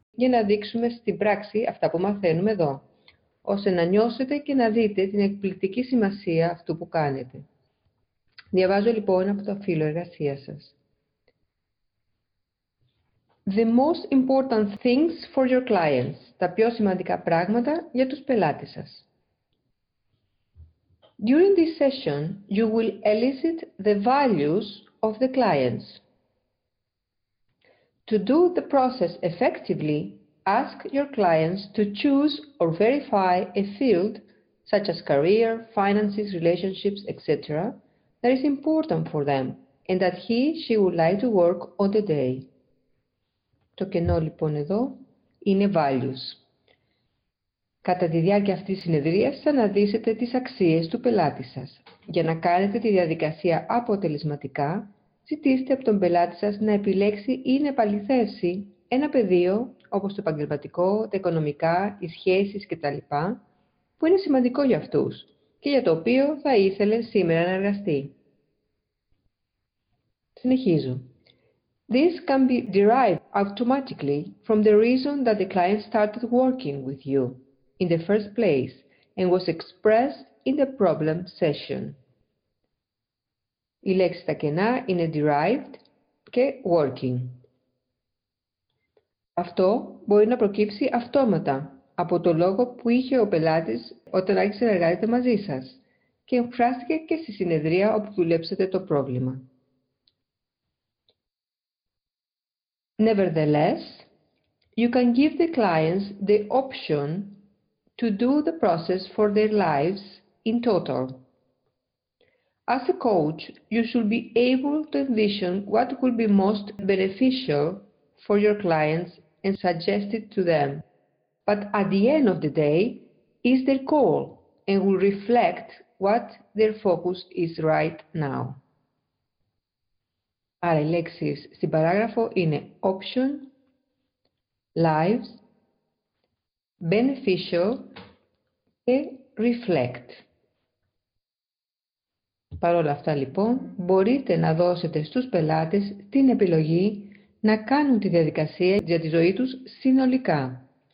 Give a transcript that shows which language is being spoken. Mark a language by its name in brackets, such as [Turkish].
[Greek] Για να δείξουμε στην πράξη αυτά που μαθαίνουμε εδώ, ώστε να νιώσετε και να δείτε την εκπληκτική σημασία αυτού που κάνετε. Διαβάζω λοιπόν από το φύλλο εργασίας σας. [English] The most important things for your clients. [Greek] Τα πιο σημαντικά πράγματα για τους πελάτες σας. [English] During this session, you will elicit the values of the clients. To do the process effectively, ask your clients to choose or verify a field, such as career, finances, relationships, etc., that is important for them and that he/she would like to work on the day. [Greek] Το κενό λοιπόν εδώ είναι values. Κατά τη διάρκεια αυτής της συνεδρίας θα αναδύσετε τις αξίες του πελάτη σας. Για να κάνετε τη διαδικασία αποτελεσματικά, ζητήστε από τον πελάτη σας να επιλέξει ή να επαληθεύσει ένα πεδίο, όπως το επαγγελματικό, τα οικονομικά, οι σχέσεις κτλ., που είναι σημαντικό για αυτούς και για το οποίο θα ήθελε σήμερα να εργαστεί. Συνεχίζω. [English] This can be derived automatically from the reason that the client started working with you in the first place and was expressed in the problem session. [Greek] Η λέξη τα κενά είναι derived και working. Αυτό μπορεί να προκύψει αυτόματα από το λόγο που είχε ο πελάτης όταν άρχισε να εργάζεται μαζί σας και εκφράστηκε και στη συνεδρία όπου δουλέψατε το πρόβλημα. [English] Nevertheless, you can give the clients the option to do the process for their lives in total. As a coach, you should be able to envision what will be most beneficial for your clients and suggest it to them. But at the end of the day, is their goal and will reflect what their focus is right now. [Greek] Άρα οι λέξεις στην παράγραφο είναι option, lives, beneficial και reflect. Παρ' όλα αυτά λοιπόν, μπορείτε να δώσετε στους πελάτες την επιλογή να κάνουν τη διαδικασία για τη ζωή τους συνολικά.